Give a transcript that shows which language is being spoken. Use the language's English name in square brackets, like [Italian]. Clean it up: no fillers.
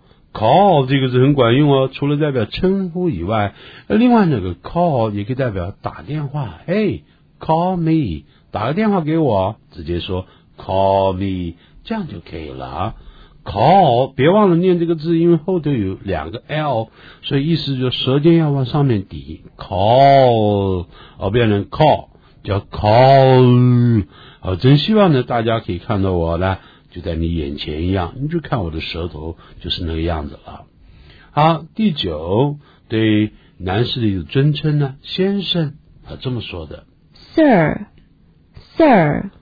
[Chinese] call 这个字很管用哦，除了代表称呼以外，另外那个 call 也可以代表打电话。 [English] Hey， call me， [Chinese] 打个电话给我，直接说 [English] call me， [Chinese] 这样就可以了。 call 别忘了念这个字，因为后头有两个 l， 所以意思就舌尖要往上面抵。 call 而变成 call， 叫 call。好，真希望呢，大家可以看到我呢。就在你眼前一样，你就看我的舌头就是那个样子了。好，第九，对男士的一个尊称呢，先生，他这么说的 [English] Sir Sir